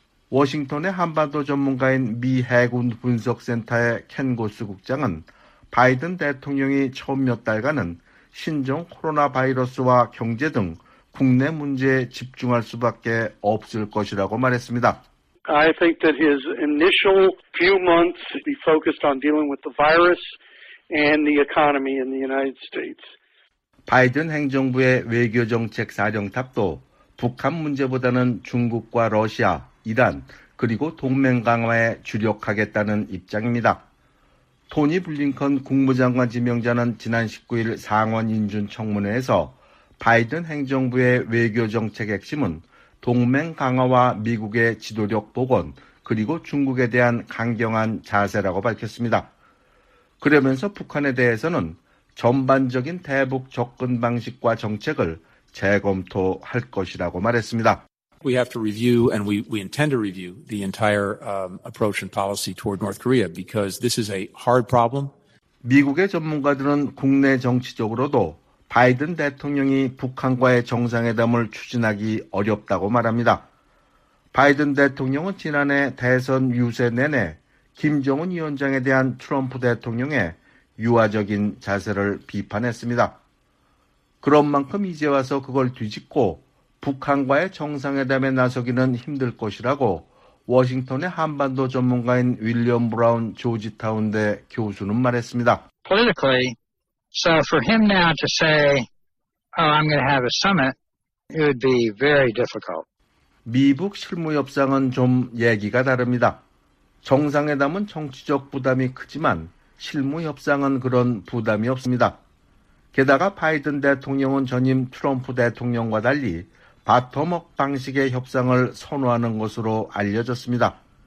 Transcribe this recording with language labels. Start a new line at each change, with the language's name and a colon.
Korean: 워싱턴의 한반도 전문가인 미 해군 분석센터의 켄 고스 국장은 바이든 대통령이 처음 몇 달간은 신종 코로나 바이러스와 경제 등 국내 문제에 집중할 수밖에 없을 것이라고 말했습니다.
English: I think that his initial few months be focused on dealing with the virus and the economy in the United States.
Korean: 바이든 행정부의 외교정책 사령탑도 북한 문제보다는 중국과 러시아, 이란 그리고 동맹 강화에 주력하겠다는 입장입니다. 토니 블링컨 국무장관 지명자는 지난 19일 상원 인준청문회에서 바이든 행정부의 외교정책 핵심은 동맹 강화와 미국의 지도력 복원 그리고 중국에 대한 강경한 자세라고 밝혔습니다. 그러면서 북한에 대해서는 전반적인 대북 접근 방식과 정책을 재검토할 것이라고 말했습니다.
English: We have to review and we intend to review the entire approach and policy toward North Korea because this is a hard problem.
Korean: 미국의 전문가들은 국내 정치적으로도 바이든 대통령이 북한과의 정상회담을 추진하기 어렵다고 말합니다. 바이든 대통령은 지난해 대선 유세 내내 김정은 위원장에 대한 트럼프 대통령의 유화적인 자세를 비판했습니다. 그런 만큼 이제 와서 그걸 뒤집고 북한과의 정상회담에 나서기는 힘들 것이라고 워싱턴의 한반도 전문가인 윌리엄 브라운 조지타운대 교수는 말했습니다.
English: Politically, so for him now to say, "Oh, I'm going to have a summit," it would be very difficult.
Korean: 미북 실무 협상은 좀 얘기가 다릅니다. 정상회담은 정치적 부담이 크지만 실무 협상은 그런 부담이 없습니다. 게다가 바이든 대통령은 전임 트럼프 대통령과 달리 바텀업 방식의 협상을 선호하는 것으로 알려졌습니다.